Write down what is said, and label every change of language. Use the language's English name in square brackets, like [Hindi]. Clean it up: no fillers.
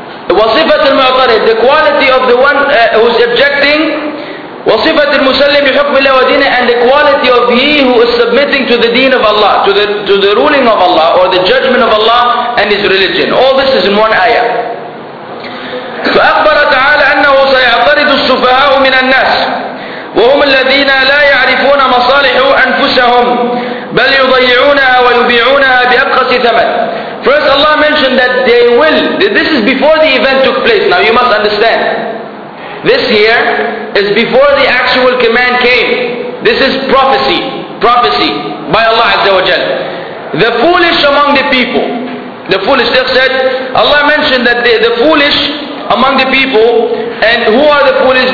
[Arabic] وصفة المعترض, [English] the quality of the one who's objecting, [Arabic] وصفة المسلم بحكم الله ودينه, [English] and the quality of he who is submitting to the deen of Allah, to the ruling of Allah or the judgment of Allah and his religion. All this is in one ayah. [Arabic] فأخبر تعالى أنه سيعترض السفهاء من الناس وهم الذين لا يعرفون مصالح أنفسهم بل يضيعونها ويبيعونها بأبخس ثمن. [English] First Allah mentioned that they will, that this is before the event took place. Now you must understand, this here is before the actual command came. This is prophecy by Allah Azza wa Jal. The foolish among the people, the foolish, they said, Allah mentioned that the foolish among the people, and who are the foolish?